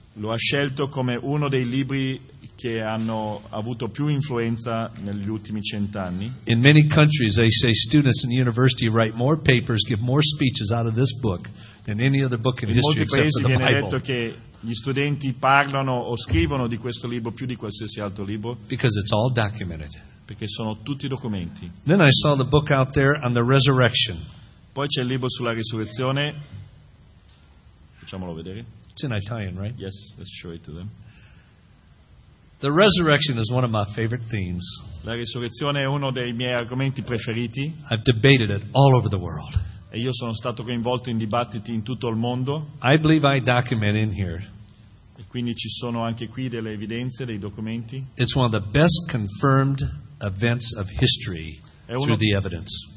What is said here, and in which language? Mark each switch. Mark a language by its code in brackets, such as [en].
[it] Lo ha scelto come uno dei libri che hanno avuto più influenza negli ultimi 100 anni. [en] In many countries, they say students in university write more papers, give more speeches out of this book than any other book in history except for the Bible. [it] In molti paesi viene detto che gli studenti parlano o scrivono di questo libro più di qualsiasi altro libro. [en] Because it's all documented. [it] Perché sono tutti documenti. [en] Then I saw the book out there on the resurrection. [it] Poi c'è il libro sulla risurrezione. Facciamolo vedere. [en] It's in Italian, right? Yes, let's show it to them. The resurrection is one of my favorite themes. [it] La risurrezione è uno dei miei argomenti preferiti. [en] I've debated it all over the world. [it] E io sono stato coinvolto in dibattiti in tutto il mondo. [en] I believe I document in here. [it] E quindi ci sono anche qui delle evidenze, dei documenti. [en] It's one of the best confirmed events of history through the evidence.